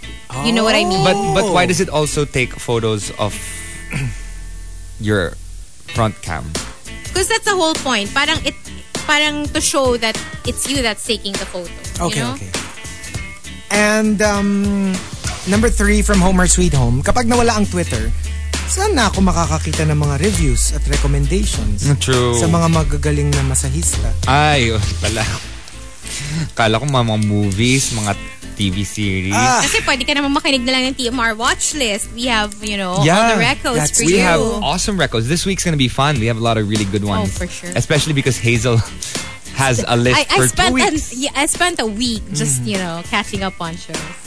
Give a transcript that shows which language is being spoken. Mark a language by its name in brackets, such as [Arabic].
[English] Oh. You know what I mean? But why does it also take photos of your front cam? Because that's the whole point. [Filipino] Parang it, parang [English] to show that it's you that's taking the photo. Okay, you know? Okay. And number 3 from Homer Sweet Home. [Filipino] Kapag nawala ang Twitter, saan na ako makakakita ng mga reviews at recommendations? [English] True. [Filipino] Sa mga magagaling na masahista. Ay, pala. Kala ko mga movies, mga TV series. Kasi pwede ka naman makinig na lang ng TMR watchlist. [English] We have, you know, yeah, all the records for we you. We have awesome records. This week's gonna be fun. We have a lot of really good ones. Oh, for sure. Especially because Hazel has a list I spent a week just, you know, catching up on shows.